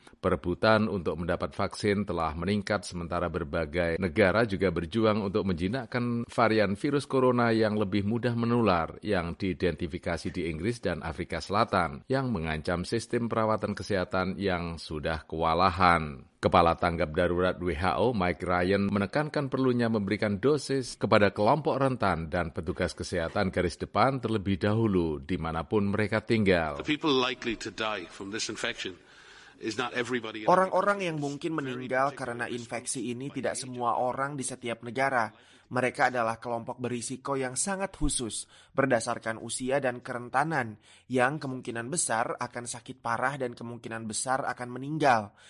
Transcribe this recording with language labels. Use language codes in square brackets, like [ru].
[id] Perebutan untuk mendapat vaksin telah meningkat sementara berbagai negara juga berjuang untuk menjinakkan varian virus corona yang lebih mudah menular yang diidentifikasi di Inggris dan Afrika Selatan yang mengancam sistem perawatan kesehatan yang sudah kewalahan. Kepala Tanggap Darurat WHO Mike Ryan menekankan perlunya memberikan dosis kepada kelompok rentan dan petugas kesehatan garis depan terlebih dahulu dimanapun mereka tinggal. [en] The people likely to die from this infection. [id] Orang-orang yang mungkin meninggal karena infeksi ini tidak semua orang di setiap negara. Mereka adalah kelompok berisiko yang sangat khusus berdasarkan usia dan kerentanan yang kemungkinan besar akan sakit parah dan kemungkinan besar akan meninggal.